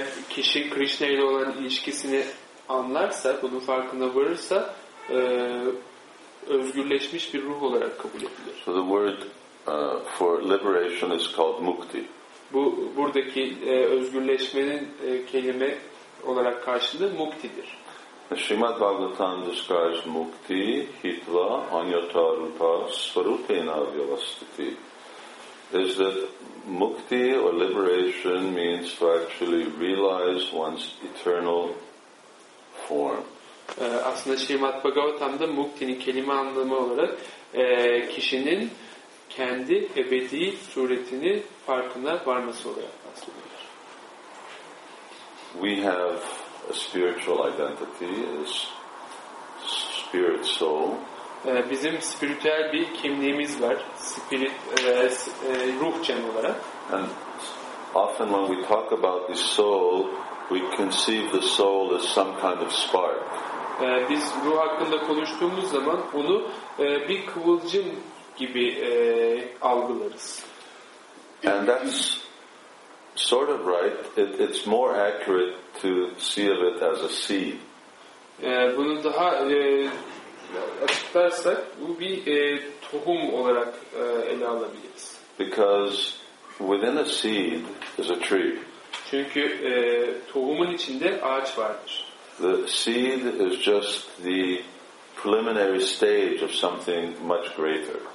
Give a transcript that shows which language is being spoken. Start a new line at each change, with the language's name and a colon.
Turkish: Kişi Krishna ile olan ilişkisini anlarsa, bunun farkına varırsa özgürleşmiş bir ruh olarak kabul edilir.
English: So the word for liberation is called mukti.
Turkish: Bu buradaki özgürleşmenin kelime olarak karşılığı muktidir.
Sanskrit: Srimad Bhagavatam describes mukti hitva anyata rupa svarupena vyavastiti.
English: Is that mukti or liberation means to actually realize one's eternal form.
Turkish: Aslında Srimad Bhagavatam'da mukti'nin kelime anlamı olarak kişinin kendi ebedi suretini farkına varması olarak bahsedilir.
English: We have a spiritual identity as spirit soul.
Turkish: Bizim spiritüel bir kimliğimiz var. Spirit ruh cem olarak.
English: And often when we talk about the soul, we conceive the soul as some kind of spark.
Turkish: Biz ruh hakkında konuştuğumuz zaman onu bir kıvılcım gibi algılarız.
English: And that's sort of right. It's more accurate to see of it as a seed.
Turkish: Bunu daha açıklarsak bu bir tohum olarak ele alabiliriz.
English: Because within a seed is a tree.
Turkish: Çünkü tohumun içinde ağaç vardır.
English: The seed is just the preliminary stage of something much greater.